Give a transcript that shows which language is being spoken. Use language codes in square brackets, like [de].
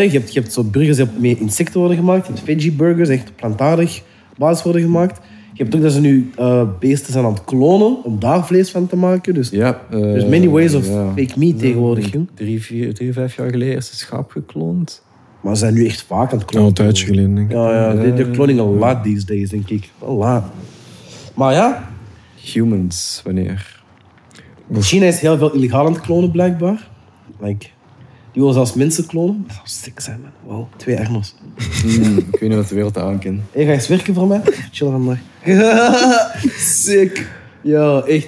[nl] Je hebt zo burgers die met insecten worden gemaakt. Je hebt veggie burgers, echt plantaardig basis worden gemaakt. Je hebt ook dat ze nu beesten zijn aan het klonen om daar vlees van te maken. Dus [en] there's many ways of fake meat [nl] tegenwoordig. Ja, 3, 4, 3, 5 jaar geleden is een schaap gekloond. Maar ze zijn nu echt vaak aan het klonen. Een tijdje geleden, denk ik. [en] They're cloning a lot these days, [nl] denk ik. [en] A lot. [nl] Maar ja... Humans, wanneer... China is heel veel illegaal aan het klonen, blijkbaar. Like, die willen zelfs mensen klonen. Dat zou sick zijn, man. Wow, 2 Arno's. Ik weet niet wat de wereld aan kan. Hey, ga eens werken voor mij? Chill vandaag. Sick. Ja, echt.